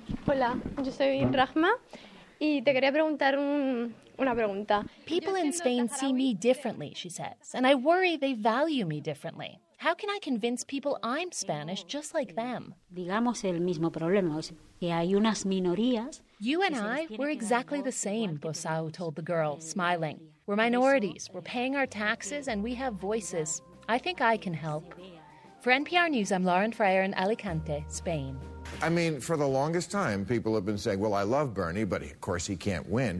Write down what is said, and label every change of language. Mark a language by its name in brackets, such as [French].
[Spanish] Hola, yo soy Rahma, y te quería preguntar una pregunta. [English] People in Spain see me differently, she says, and I worry they value me differently. How can I convince people I'm Spanish just like them? [Spanish] Digamos el mismo problema, que hay unas minorías. [English] You and I, we're exactly the same, Bosao told the girl, smiling. We're minorities, we're paying our taxes, and we have voices. I think I can help. For NPR News, I'm Lauren Freyer in Alicante, Spain. I mean, for the longest time, people have been saying, well, I love Bernie, but of course he can't win.